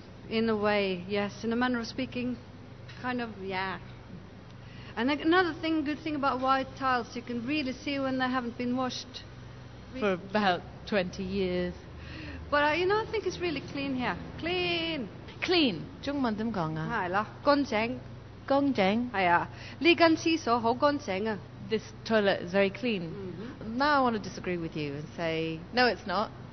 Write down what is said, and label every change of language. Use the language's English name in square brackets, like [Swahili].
[English] In a way, yes. In a manner of speaking, kind of, yeah. And another thing, good thing about white tiles, you can really see when they haven't been washed. For about 20 years. But you know, I think it's really clean here. Clean. [Chinese] Clean. 中文 怎么 讲啊? 是啦, 乾淨. 乾淨? 是啊, 这间厕所很乾淨啊。 [English] This toilet is very clean. Mm-hmm. Now I want to disagree with you and say, no, it's not.